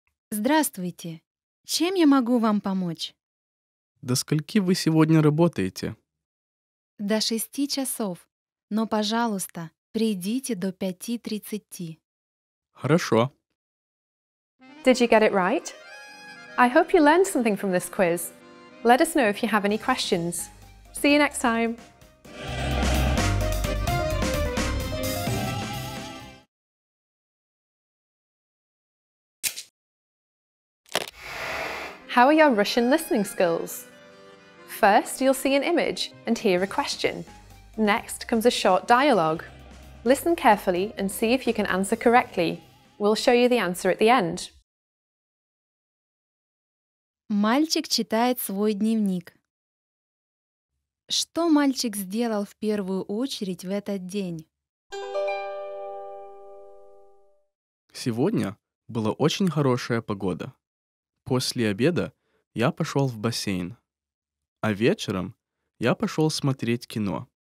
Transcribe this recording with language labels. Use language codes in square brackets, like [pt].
[ru] Здравствуйте. Чем я могу вам помочь? До скольки вы сегодня работаете? До 6 часов. Но, пожалуйста, придите до 5:30. Хорошо. [en] Did you get it right? I hope you learned something from this quiz. Let us know if you have any questions. See you next time. How are your Russian listening skills? First, you'll see an image and hear a question. Next comes a short dialogue. Listen carefully and see if you can answer correctly. We'll show you the answer at the end. [ru] Мальчик читает свой дневник. Что мальчик сделал в первую очередь в этот день? Сегодня была очень хорошая погода. После обеда я пошел в бассейн, а вечером я пошел смотреть кино.